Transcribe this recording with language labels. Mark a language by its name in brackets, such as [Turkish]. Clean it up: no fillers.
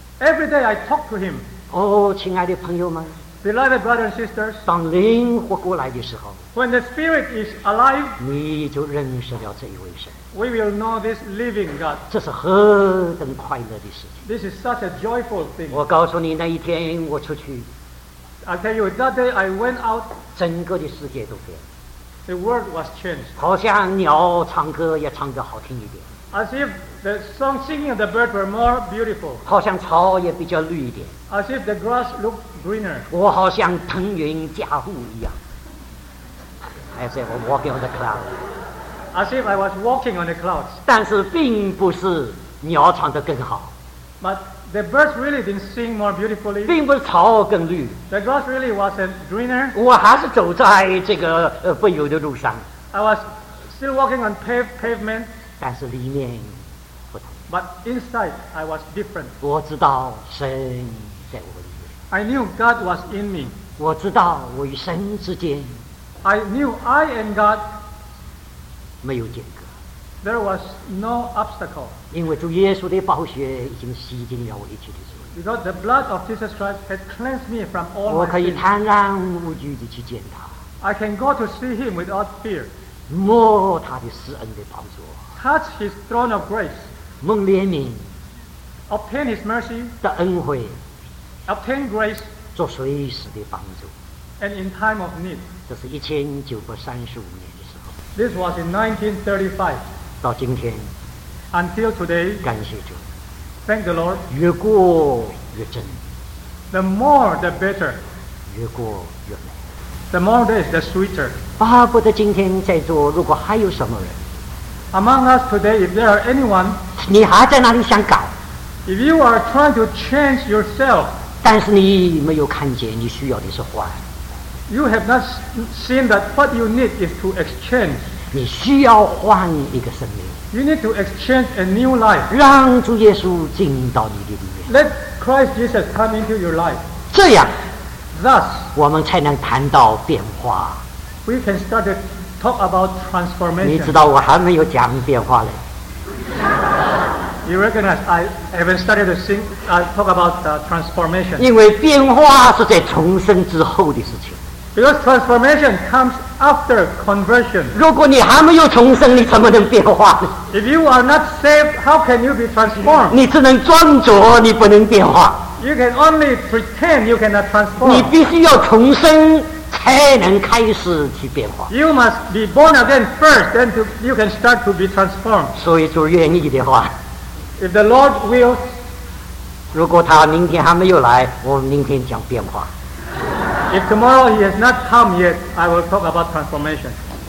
[English] Every day I talk to him. [Chinese] 哦，亲爱的朋友们。 [English] Beloved brothers and sisters. [Chinese] 当灵活过来的时候。 [English] When the spirit is alive. [Chinese] 你就认识了这一位神。 [English] We will know this living God. [Chinese] 这是何等快乐的事情。 [English] This is such a joyful thing. [Chinese] 我告诉你，那一天我出去。 [English] I tell you, that day I went out. [Chinese] 整个的世界都变了。 [English] The world was changed. [Chinese] 好像鸟唱歌也唱得好听一点。 [English] As if the song singing of the bird were more beautiful. [Chinese] 好像草也比较绿一点。 [English] As if the grass looked greener. [Chinese] 我好像腾云驾雾一样。 [English] As if I'm walking on the clouds. As if I was walking on the clouds. [Chinese] 但是并不是鸟唱得更好。 [English] But the birds really didn't sing more beautifully. [Chinese] 并不是草更绿。 [English] The grass really wasn't greener. [Chinese] 我还是走在这个奔游的路上。 [English] I was still walking on pavement. [Chinese] 但是里面不同。 [English] But inside I was different. [Chinese] 我知道神在我里面。 [English] I knew God was in me. [Chinese] 我知道我与神之间。 [English] I knew I and God. [Chinese] 没有间隔。 [English] There was no obstacle. [Chinese] 因为主耶稣的宝血已经洗净了我一切的罪。 [English] Because the blood of Jesus Christ had cleansed me from all my [Chinese] sins. 我可以坦然无惧地去见他。 [English] I can go to see him without fear. [Chinese] 摸他的施恩的宝座。 [English] Touch his throne of grace. [Chinese] 蒙怜悯。 [English] Obtain his mercy. [Chinese] 得恩惠。 [English] Obtain grace. [Chinese] 做随时的帮助。 [English] And in time of need. [Chinese] 这是1935年的时候。 [English] This was in 1935. [Chinese] 到今天。 [English] Until today, [Chinese] 感谢主。 [English] Thank the Lord. [Chinese] 越过越真。 [English] The more, the better. [Chinese] 越过越美。 [English] The more this, the sweeter. [Chinese] 巴不得今天在座如果还有什么人。 [English] Among us today, if there are anyone, [Chinese] 你还在那里想搞。 [English] If you are trying to change yourself, [Chinese] 但是你没有看见你需要的是换。 [English] You have not seen that what you need is to exchange. [Chinese] 你需要换一个生命。 [English] You need to exchange a new life. [Chinese] 让主耶稣进到你的里面。 [English] Let Christ Jesus come into your life. [Chinese] 这样。 [English] Thus. [Chinese] 我们才能谈到变化。 [English] We can start to talk about transformation. [Chinese] 你知道我还没有讲变化嘞。 [English] You recognize I haven't started to sing, talk about transformation. [Chinese] 因为变化是在重生之后的事情。 [English] Because transformation comes after conversion. [Chinese] 如果你还没有重生，你怎么能变化呢？ [English] If you are not saved, how can you be transformed? [Chinese] 你只能装作你不能变化。 [English] You can only pretend you cannot transform. [Chinese] 你必须要重生才能开始去变化。 [English] You must be born again first, then you can start to be transformed. [Chinese] 所以主愿意的话。 [English] If the Lord wills. [Chinese] 如果他明天还没有来，我明天讲变化。 [English] If tomorrow he has not come yet, I will talk about transformation.